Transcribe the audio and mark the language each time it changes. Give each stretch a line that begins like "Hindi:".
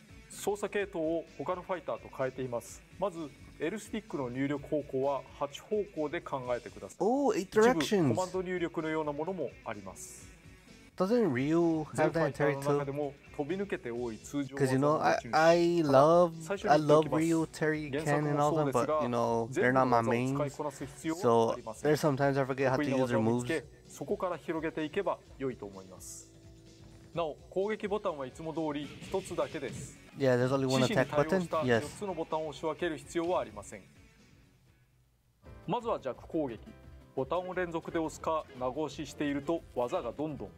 Japanese: 操作系統を他のファイターと変えています。まず、L スティックの入力方向は8方向で考えてください。
English: Oh, 8 directions.
Japanese: コマンド入力のようなものもあります。
English: Doesn't Ryu have that territory too?
Japanese: 飛び抜けて多い通常技の持ち主。
English: Cause you know, I love Ryu, Terry, Ken, and all them, but you know, they're not my main. So there's sometimes I forget how to use their moves.
Japanese: そこから広げていけば良いと思います。なお攻撃ボタンはいつも通り一つだけです。いや、
English: there's only one attack button。
Japanese: 獅子に対応した4つのボタンを押し分ける必要はありません。
English: yes.
Japanese: まずは弱攻撃、ボタンを連続で押すか名越ししていると技がどんどん